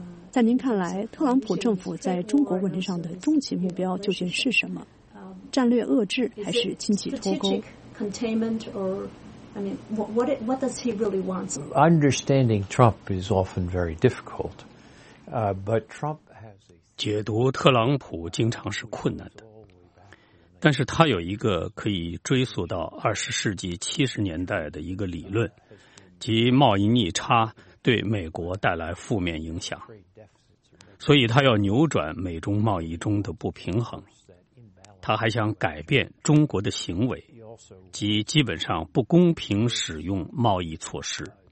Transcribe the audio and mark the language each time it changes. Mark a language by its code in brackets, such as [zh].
[zh] 在您看来，特朗普政府在中国问题上的终极目标究竟是什么？战略遏制还是经济脱钩？ [en] Understanding Trump is often very difficult, but Trump has a [zh] 解读特朗普经常是困难的，但是他有一个可以追溯到20世纪70年代的一个理论，即贸易逆差对美国带来负面影响，所以他要扭转美中贸易中的不平衡，他还想改变中国的行为，即基本上不公平使用贸易措施。